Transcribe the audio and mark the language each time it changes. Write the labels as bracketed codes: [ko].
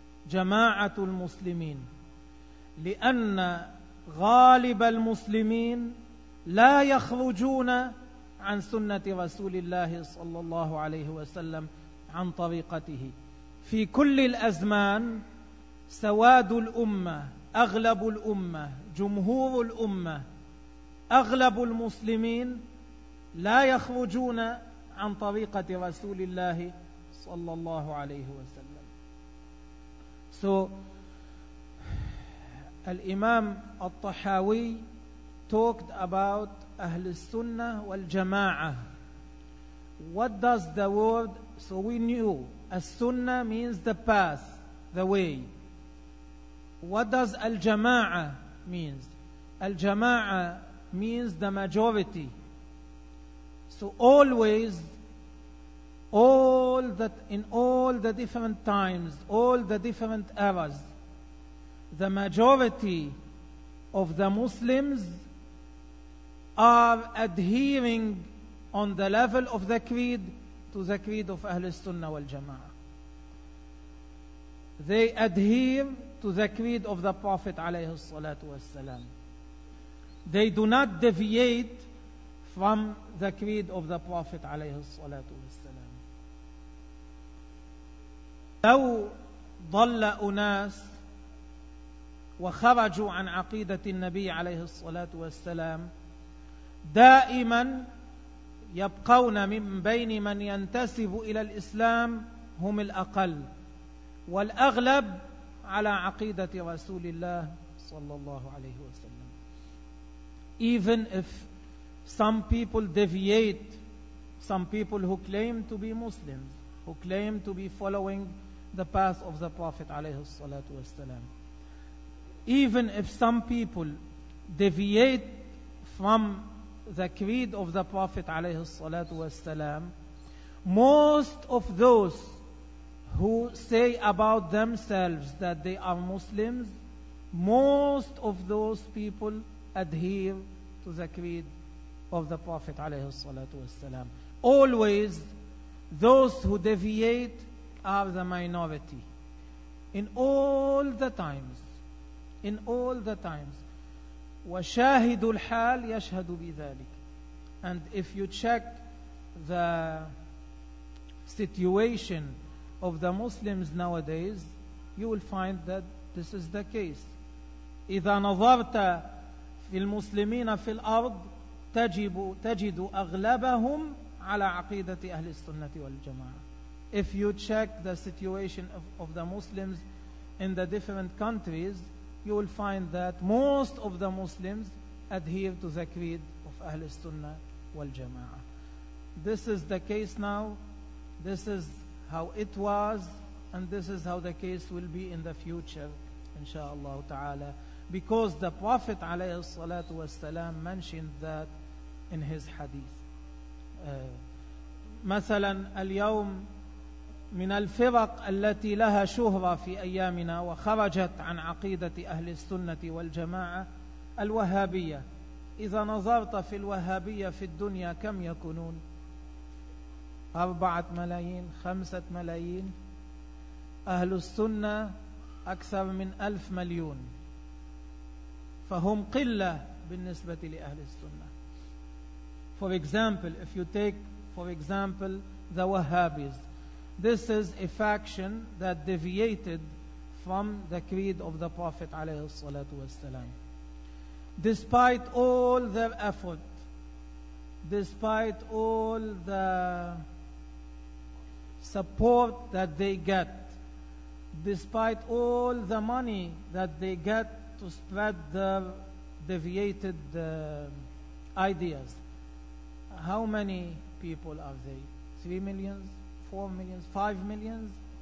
[ar] جماعة المسلمين لأن غالب المسلمين لا يخرجون عن سنة رسول الله صلى الله عليه وسلم عن طريقته في كل الأزمان سواد الأمة أغلب الأمة جمهور الأمة أغلب المسلمين لا يخرجون عن طريقة رسول الله صلى الله عليه وسلم. [en] So, الإمام الطحاوي talked about أهل السنة والجماعة. What does the word? So we knew السنة means the path, the way. What does الجماعة means? الجماعة means the majority. So always, all that in all the different times, all the different eras, the majority of the Muslims are adhering on the level of the creed to the creed of Ahl Sunnah wal Jama'ah. They adhere to the creed of the Prophet alayhi salatu wassalam. They do not deviate from the creed of the Prophet عليه الصلاة والسلام. [ar] لو ضل أناس وخرجوا عن عقيدة النبي عليه الصلاة والسلام دائما يبقون من بين من ينتسب إلى الإسلام هم الأقل والأغلب على عقيدة رسول الله صلى الله عليه وسلم. [en] Even if some people deviate, some people who claim to be Muslims, who claim to be following the path of the Prophet عليه الصلاة والسلام. Even if some people deviate from the creed of the Prophet عليه الصلاة والسلام, most of those who say about themselves that they are Muslims, most of those people adhere to the creed of the Prophet alayhi salatu wassalam. Always those who deviate are the minority in all the times, in all the times. [ar] وشاهد الحال يشهد بذلك. [en] And if you check the situation of the Muslims nowadays, you will find that this is the case. [ar] إذا نظرت في المسلمين في الأرض تجد أغلبهم على عقيدة أهل السنة والجماعة. [en] If you check the situation of the Muslims in the different countries, you will find that most of the Muslims adhere to the creed of أهل السنة والجماعة. This is the case now. This is how it was, and this is how the case will be in the future, inshallah ta'ala. Because the Prophet عليه الصلاة والسلام mentioned that in his hadith. [ar] مثلا اليوم من الفرق التي لها شهرة في أيامنا وخرجت عن عقيدة أهل السنة والجماعة الوهابية. إذا نظرت في الوهابية في الدنيا كم يكونون؟ 4 ملايين، 5 ملايين. أهل السنة أكثر من 1,000,000,000، فهم قلة بالنسبة لأهل السنة. [en] For example, if you take, for example, the Wahhabis, this is a faction that deviated from the creed of the Prophet عليه الصلاة والسلام. Despite all their effort, despite all the support that they get, despite all the money that they get to spread their deviated ideas, how many people are they? 3 million? 4 million? 5 million?